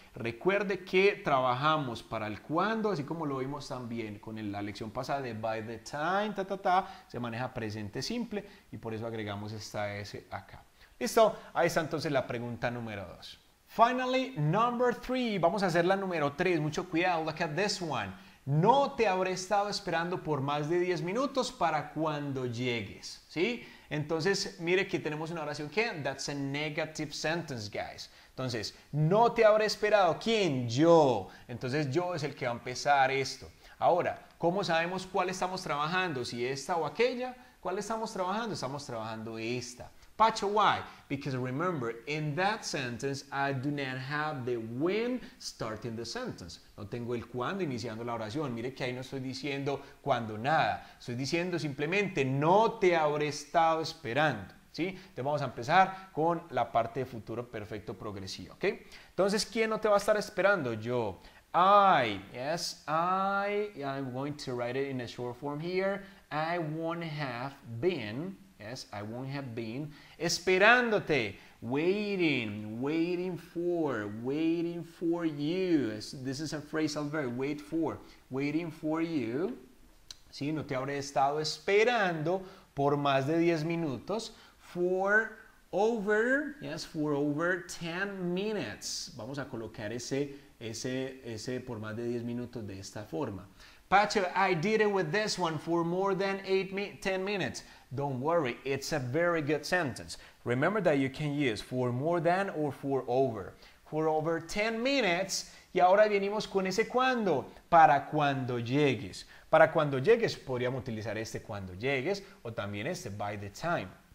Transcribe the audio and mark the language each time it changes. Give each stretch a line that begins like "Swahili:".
Spanish: Recuerde que trabajamos para el cuándo, así como lo vimos también con la lección pasada de
English: by the time,
Spanish: ta, ta, ta, se maneja presente simple y por eso agregamos esta S acá. ¿Listo? Ahí está entonces la pregunta número 2.
English: Finally, number 3.
Spanish: Vamos a hacer la número 3. Mucho cuidado.
English: Look at this one.
Spanish: No te habré estado esperando por más de 10 minutos para cuando llegues. ¿Sí? Entonces, mire que tenemos una oración que...
English: That's a negative sentence, guys.
Spanish: Entonces, no te habré esperado. ¿Quién? Yo. Entonces, yo es el que va a empezar esto. Ahora, ¿cómo sabemos cuál estamos trabajando? Si esta o aquella. ¿Cuál estamos trabajando? Estamos trabajando esta.
English: Pacho, why? Because remember, in that sentence, I do not have the when starting the sentence.
Spanish: No tengo el cuándo iniciando la oración. Mire que ahí no estoy diciendo cuándo nada. Estoy diciendo simplemente, no te habré estado esperando. ¿Sí? Entonces vamos a empezar con la parte de futuro perfecto progresivo. ¿Okay? Entonces, ¿quién no te va a estar esperando?
English: Yo. I. Yes, I. I'm going to write it in a short form here. I won't have been. Yes, I won't have been
Spanish: esperándote,
English: waiting for you. This is a phrasal verb, wait for, waiting for you.
Spanish: Sí, no te habré estado esperando por más de 10 minutos,
English: for over 10 minutes.
Spanish: Vamos a colocar ese por más de 10 minutos de esta forma.
English: Pacho, I did it with this one for more than 10 minutes. Don't worry, it's a very good sentence. Remember that you can use for more than or for over. For over 10 minutes.
Spanish: Y ahora venimos con ese cuando. Para cuando llegues. Para cuando llegues, podríamos utilizar este cuando llegues o también este
English: by the time.